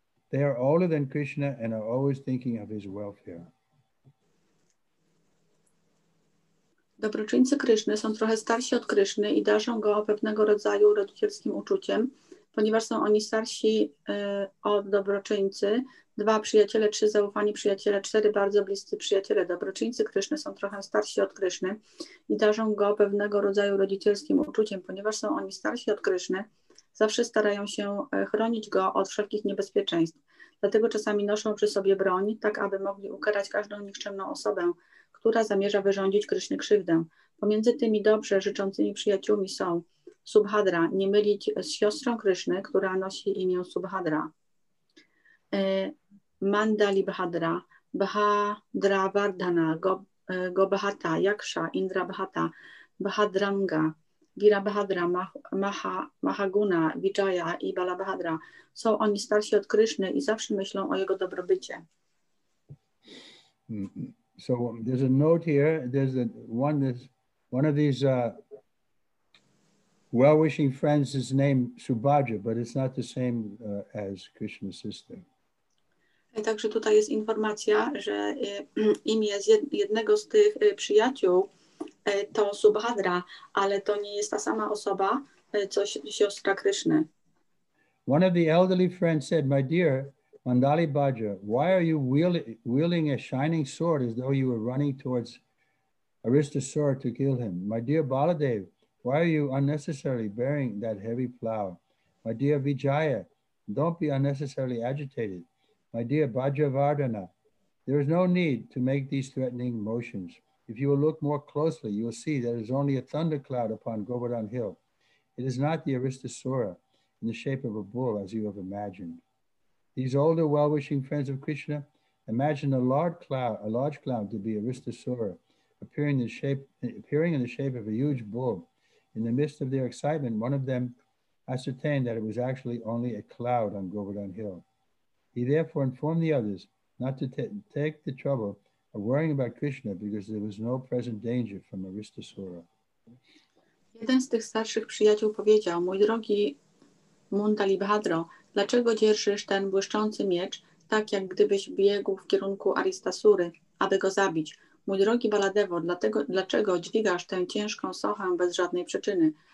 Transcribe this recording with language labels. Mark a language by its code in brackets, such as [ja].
[en] They are older than Krishna and are always thinking of his welfare. [pl] Dobroczyńcy Kryszny są trochę starsi od Kryszny i darzą go pewnego rodzaju rodzicielskim uczuciem, ponieważ są oni starsi od dobroczyńcy, dwa przyjaciele, trzy zaufani przyjaciele, cztery bardzo bliscy przyjaciele. Dobroczyńcy Kryszny są trochę starsi od Kryszny i darzą go pewnego rodzaju rodzicielskim uczuciem, ponieważ są oni starsi od Kryszny, zawsze starają się chronić go od wszelkich niebezpieczeństw. Dlatego czasami noszą przy sobie broń, tak aby mogli ukarać każdą nikczemną osobę, która zamierza wyrządzić Krysznie krzywdę. Pomiędzy tymi dobrze życzącymi przyjaciółmi są Subhadra, nie mylić z siostrą Kryszny, która nosi imię Subhadra. Mandali Bhadra, Bhadra Vardhana, Gobhata, Yaksha, Indra Bhata, Bhadranga, Vira Bhadra, Mahaguna, Vijaya i Bala Bhadra. Są oni starsi od Kryszny i zawsze myślą o jego dobrobycie. [en] So there's a note here. There's a one. This one of these well-wishing friends is named Subhadra, but it's not the same as Krishna's sister. [pl] Także tutaj jest informacja, że imię z jednego z tych przyjaciół to Subhadra, ale to nie jest ta sama osoba, co siostra Krishna. [en] One of the elderly friends said, "My dear Mandali Bhadra, why are you wielding a shining sword as though you were running towards Aristasura to kill him? My dear Baladev, why are you unnecessarily bearing that heavy plow? My dear Vijaya, don't be unnecessarily agitated. My dear Bhadravardhana, there is no need to make these threatening motions. If you will look more closely, you will see that there is only a thundercloud upon Govardhan Hill. It is not the Aristasura in the shape of a bull as you have imagined. These older, well-wishing friends of Krishna imagine a large cloud to be Aristasura, appearing in the shape of a huge bull. In the midst of their excitement, one of them ascertained that it was actually only a cloud on Govardhan Hill. He therefore informed the others not to take the trouble of worrying about Krishna because there was no present danger from Aristasura." [pl] Jeden z tych starszych przyjaciół powiedział: "Mój drogi Mandali Bhadra, dlaczego dzierżysz ten błyszczący miecz, tak jak gdybyś biegł w kierunku Aristasury, aby go zabić? Mój drogi Baladewo, dlaczego dźwigasz tę ciężką sochę bez żadnej przyczyny?